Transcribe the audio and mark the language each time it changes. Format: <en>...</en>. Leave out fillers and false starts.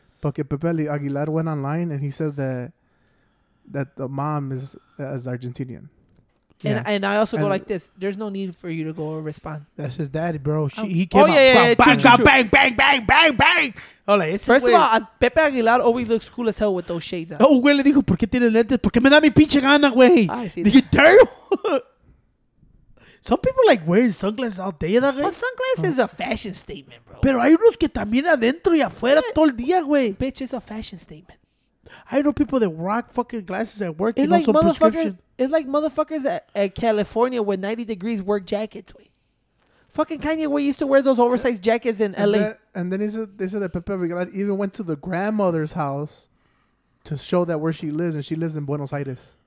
<en>Porque Pepe Aguilar went online, and he said that the mom is Argentinian. Yeah. And I also go like this. There's no need for you to go respond. That's his daddy, bro. He came out. Bang, bang, bang, bang, bang, bang. First of all, Pepe Aguilar always looks cool as hell with those shades on.</en> <es>Oh, güey, le dijo, ¿por qué tiene lentes? ¿Por qué me da mi pinche gana, güey?</es> <en>I see that. Some people like wearing sunglasses all day,</en> <es>¿verdad,</es> <en>güey? But sunglasses is a fashion statement, bro.</en> <es>Pero hay unos que también adentro y afuera todo el día, güey.</es> <en>Bitch, it's a fashion statement. I know people that rock fucking glasses at work. It's, and like, also motherfucker, it's like motherfuckers at California with 90 degrees work jackets. Fucking Kanye West used to wear those oversized jackets in LA. And then they said that Pepe Aguilar even went to the grandmother's house to show that where she lives, and she lives in Buenos Aires.</en>